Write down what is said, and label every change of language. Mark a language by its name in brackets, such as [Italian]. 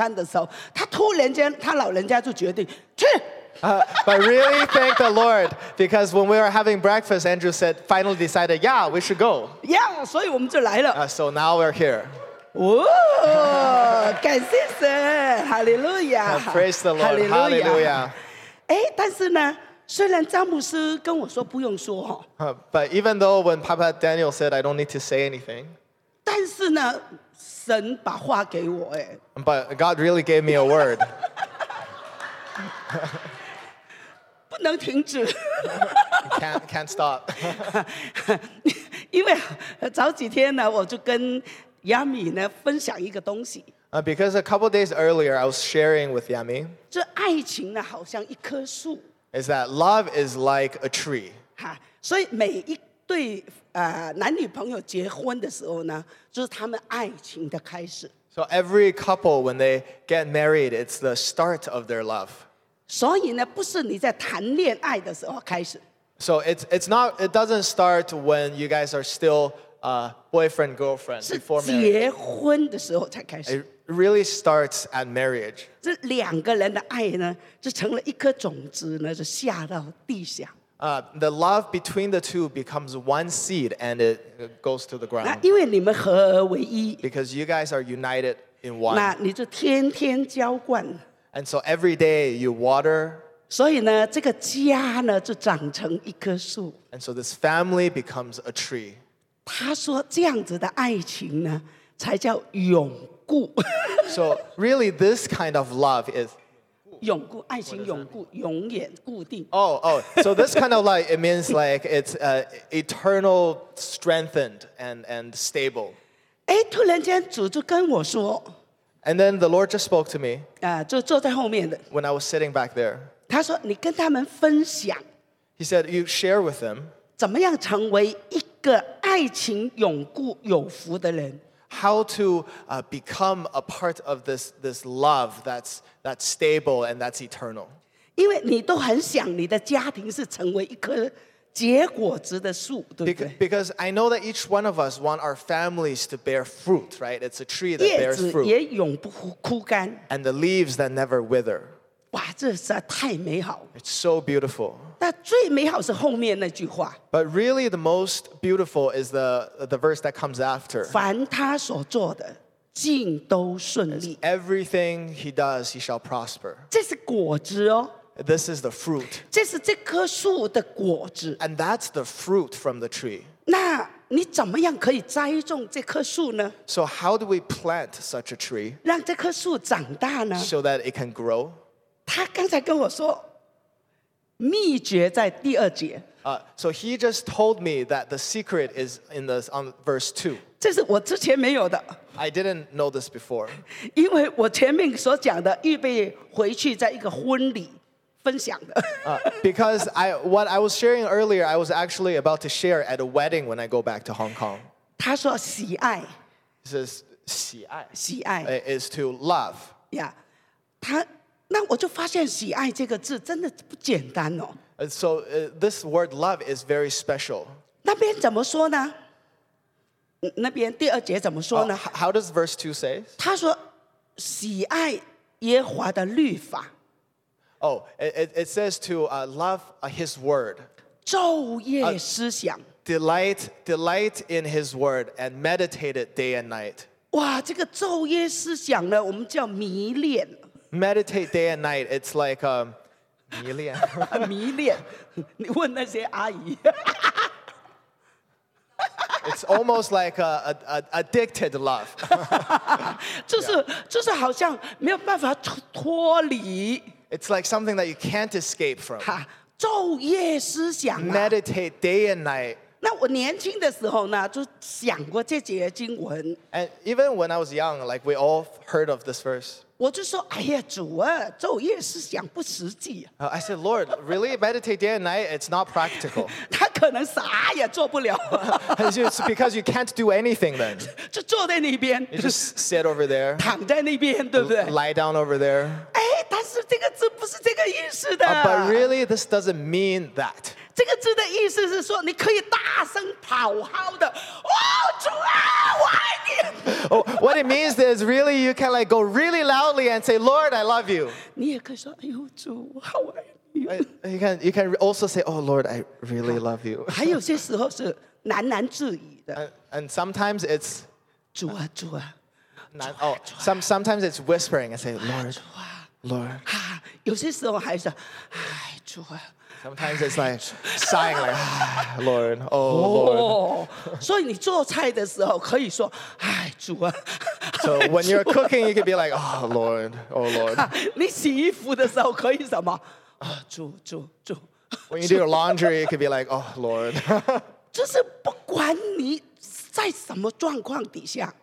[Chinese] 但是感谢神，我们在吃早餐的时候，他突然间，他老人家就决定去。 [English] But really, thank the Lord, because when we were having breakfast, Andrew said, finally decided, yeah, we should go. [Chinese] Yeah, 所以我们就来了。 [English] So now we're here. [Chinese] Oh, 感谢神, hallelujah. [English] Praise the Lord, hallelujah. [Chinese] 哎, 但是呢, 虽然詹姆斯跟我说不用说哈。 [English] But even though when Papa Daniel said I don't need to say anything. [Chinese] 但是呢，神把话给我哎。 [English] But God really gave me a word. [Chinese] 不能停止。 [English] can't stop. [Chinese] 因为早几天呢，我就跟Yami 呢分享一个东西。 [English] Because a couple days earlier, I was sharing with Yami. [Chinese] 这爱情呢，好像一棵树。 [English] Is that love is like a tree. [Chinese] 所以每一对男女朋友结婚的时候呢，就是他们爱情的开始。 [English] So every couple, when they get married, it's the start of their love. [Chinese] 所以呢，不是你在谈恋爱的时候开始。 [English] So it's not, it doesn't start when you guys are still boyfriend, girlfriend, before marriage. [Chinese] 是结婚的时候才开始。 [English] It really starts at marriage. [Chinese] 这两个人的爱呢，就成了一颗种子呢，就下到地下。 [English] The love between the two becomes one seed and it goes to the ground. [Chinese] 那因为你们合而为一。 [English] Because you guys are united in one. [Chinese] 那你就天天浇灌。 [English] And so every day you water. [Chinese] 所以呢，这个家呢，就长成一棵树。 [English] And so this family becomes a tree. [Chinese] 他说这样子的爱情呢，才叫永。 [English] So really, this kind of love is [Chinese] 永固爱情永固永远固定 [English] Oh. So this kind of love it means like it's eternal, strengthened and stable. [Chinese] 哎，突然间主就跟我说 [English] And then the Lord just spoke to me. [Chinese] 就坐在后面的 [English] When I was sitting back there, [Chinese] 他说你跟他们分享 [English] He said you share with them. [Chinese] 怎么样成为一个爱情永固有福的人？ [English] How to become a part of this love that's stable and that's eternal. [Chinese] 因为你都很想你的家庭是成为一棵结果子的树，对不对？ [English] Because I know that each one of us want our families to bear fruit, right? It's a tree that bears fruit. [Chinese] 叶子也永不枯干。 [English] And the leaves that never wither. [Chinese] 哇，这实在太美好。 [English] It's so beautiful. [Chinese] 但最美好是后面那句话。 [English] But really the most beautiful is the verse that comes after. [Chinese] 凡他所做的尽都顺利。 [English] Everything he does, he shall prosper. [Chinese] 这是果子哦。 [English] This is the fruit. [Chinese] 这是这棵树的果子。 [English] And that's the fruit from the tree. [Chinese] 那你怎么样可以栽种这棵树呢？ [English] So how do we plant such a tree? [Chinese] 让这棵树长大呢？ [English] So that it can grow. [Chinese] 他刚才跟我说秘诀在第二节。 [English] So he just told me that the secret is in the on verse 2. [Chinese] 这是我之前没有的。 [English] I didn't know this before. [Chinese] 因为我前面所讲的预备回去在一个婚礼分享的。 [English] Because what I was sharing earlier, I was actually about to share at a wedding when I go back to Hong Kong. [Chinese] 他说喜爱。 [English] He says 喜爱。 [Chinese] 喜爱。 [English] Is to love. Yeah. [Chinese] 他那我就发现喜爱这个字真的不简单哦。 [English] So this word love is very special. [Chinese] 那边怎么说呢？那边第二节怎么说呢？ [English] How does verse 2 say? [Chinese] 他说喜爱耶和华的律法。 [English] Oh, it says to love his word. [Chinese] 昼夜思想。 [English] Delight in his word and meditate it day and night. [Chinese] 哇，这个昼夜思想呢，我们叫迷恋。 [English] Meditate day and night. It's like 迷恋 [Chinese] 迷恋你问那些阿姨 [English] It's almost like addicted love. [Chinese] 就是好像没有办法脱离 [English] It's like something that you can't escape from. [Chinese] 昼夜思想 [English] Meditate day and night. [Chinese] 那我年轻的时候呢就想过这节经文 [English] And even when I was young, like we all heard of this verse. [Chinese] 我就说哎呀主啊昼夜思想不实际、啊。 [English] I said, Lord, really, meditate day and night, it's not practical. [Chinese] 他可能啥也做不了。 [English] It's because you can't do anything then. [Chinese] 就坐在那边。 [English] You just sit over there. [Chinese] 躺在那边对不对 [English] Lie down over there. [Chinese] 哎但是这个字不是这个意思的。 [English] But really, this doesn't mean that. [Chinese] 这个字的意思是说你可以大声咆哮的哦主啊我爱你。 [English] Oh, what it means is really you can like go really loudly and say, Lord, I love you. [Chinese] 你也可以说，哎呦，主，好爱你。 [English] You can also say, Oh Lord, I really love you. [Chinese] 还有些时候是喃喃自语的。 [English] And sometimes it's [Chinese] 主啊主啊。 [English] Sometimes it's whispering and say, Lord, Lord. [Chinese] 有些时候还是哎主啊。 [English] Sometimes it's like sighing, like, Lord, oh, Lord. Oh, so, when you're cooking, you can be like, oh, Lord, oh, Lord. [Chinese] 你洗衣服的时候可以什么? 主。 [English] When you do your laundry, you can be like, oh, Lord. [Chinese] 就是不管你在什么状况底下,